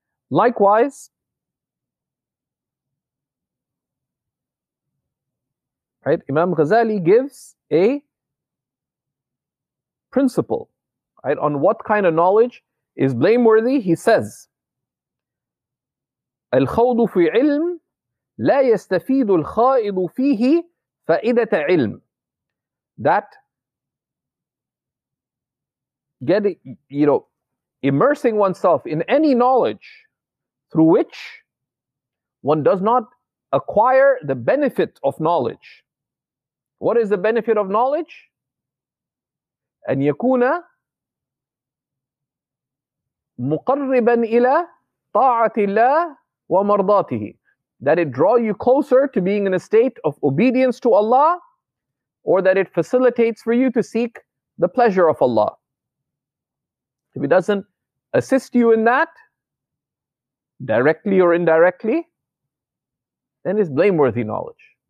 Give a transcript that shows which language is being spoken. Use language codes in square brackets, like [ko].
[en] Likewise, right, Imam Ghazali gives a principle, right, on what kind of knowledge is blameworthy. He says, [ar] الخوض في علم لا يستفيد الخائض فيه فائدة علم. [en] That getting, you know, immersing oneself in any knowledge through which one does not acquire the benefit of knowledge. What is the benefit of knowledge? [ar] أن يكون مقربا إلى طاعة الله ومرضاته. [en] That it draw you closer to being in a state of obedience to Allah, or that it facilitates for you to seek the pleasure of Allah. If it doesn't assist you in that, directly or indirectly, then it's blameworthy knowledge.